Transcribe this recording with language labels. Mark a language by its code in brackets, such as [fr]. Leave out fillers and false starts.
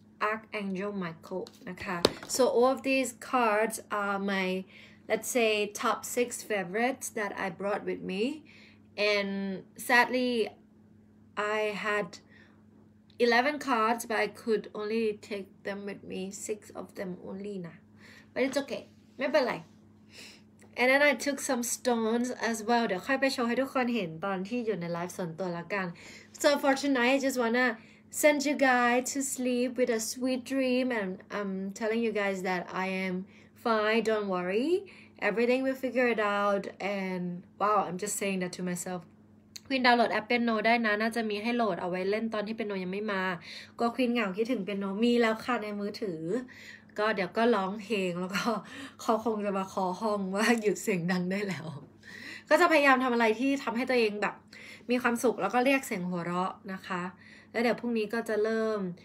[en] archangel michael นะคะ so all of these cards are my let's say top 6 favorites that I brought with me and sadly I had 11 cards but I could only take them with me 6 of them only nahBut it's okay. [th] ไม่เป็นไร [en] And then I took some stones as well. [th] เดี๋ยวค่อยไปโชว์ให้ทุกคนเห็นตอนที่อยู่ในไลฟ์ส่วนตัวละกัน [en] So for tonight, I just wanna send you guys to sleep with a sweet dream. And I'm telling you guys that I am fine. Don't worry. Everything will figure it out. And wow, I'm just saying that to myself. [th] ควีนดาวน์โหลดแอปเปียโนได้นะน่าจะมีให้โหลดเอาไว้เล่นตอนที่เปียโนยังไม่มาก็ควีนเหงาคิดถึงเปียโนมีแล้วค่ะในมือถือ ก็เดี๋ยวก็ร้องเพลงแล้วก็เขาคงจะมาขอห้องว่าหยุดเสียงดังได้แล้วก็จะพยายามทำอะไรที่ทำให้ตัวเองแบบมีความสุขแล้วก็เรียกเสียงหัวเราะนะคะแล้วเดี๋ยวพรุ่งนี้ก็จะเริ่ม